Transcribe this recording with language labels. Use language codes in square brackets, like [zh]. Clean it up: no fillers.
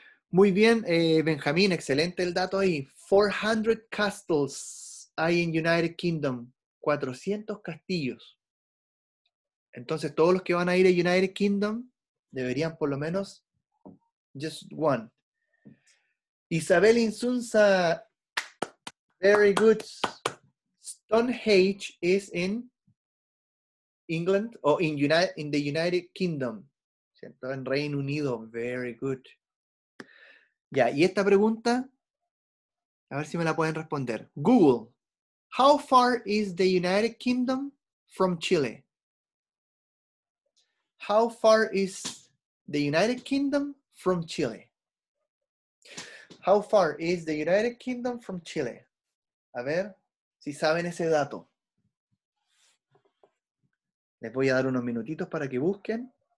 [es] Muy bien, Benjamín, excelente el dato ahí. [en] 400 castles [es] hay en United Kingdom. 400 castillos. Entonces, todos los que van a ir a United Kingdom deberían por lo menos [en] just one. Isabel Insunza, very good. Stonehenge is in England or in the United Kingdom. [es] ¿Cierto? En Reino Unido, [en] very good. [es] Ya, y esta pregunta, a ver si me la pueden responder. [en] Google, how far is the United Kingdom from Chile? How far is the United Kingdom from Chile? How far is the United Kingdom from Chile? [es] A ver si saben ese dato. Les voy a dar unos minutitos para que busquen.